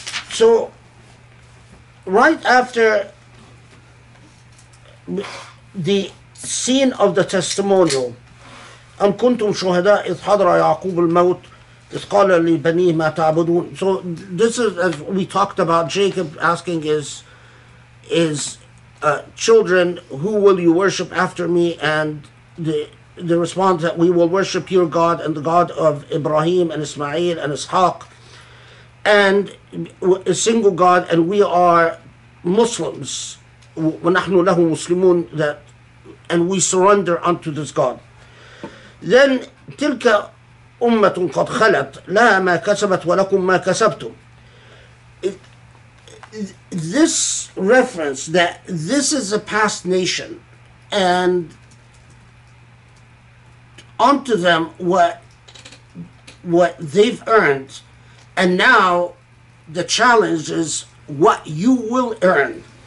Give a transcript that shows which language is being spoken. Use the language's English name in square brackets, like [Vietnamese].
[English] So, right after the scene of the testimonial, [Arabic] أَمْ كُنْتُمْ شُهَدَاءَ إِذْ حَضْرَ يَعْقُوبُ الْمَوْتُ قَالَ لِبَنِيهِ مَا تَعْبُدُونَ. [English] So this is, as we talked about, Jacob asking his children, who will you worship after me? And the response that we will worship your God and the God of Ibrahim and Ismail and Ishaq and a single God, and we are Muslims. [Arabic] وَنَحْنُ لَهُ مُسْلِمُونَ, [English] that, and we surrender unto this God. Then [Arabic] تِلْكَ أمة قد خلت لا ما كسبت ولكم ما كسبتم. [English] This reference that this is a past nation and unto them what they've earned, and now the challenge is what you will earn,